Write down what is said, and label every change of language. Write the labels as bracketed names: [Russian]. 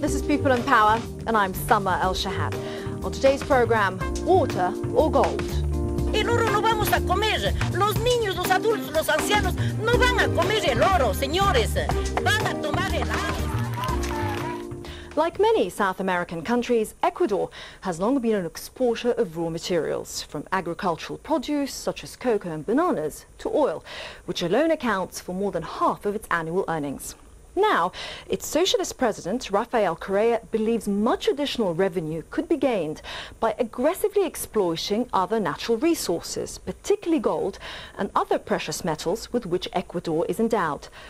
[English] This is People in Power, and I'm Summer El Shahab. On today's program, water or gold? [Spanish] El oro no vamos a comer. Los niños, los adultos, los ancianos no van a comer el oro, señores. Van a tomar el agua. [English] Like many South American countries, Ecuador has long been an exporter of raw materials, from agricultural produce such as cocoa and bananas to oil, which alone accounts for more than half of its annual earnings. Now, its socialist president, Rafael Correa, believes much additional revenue could be gained by aggressively exploiting other natural resources, particularly gold and other precious metals with which Ecuador is endowed.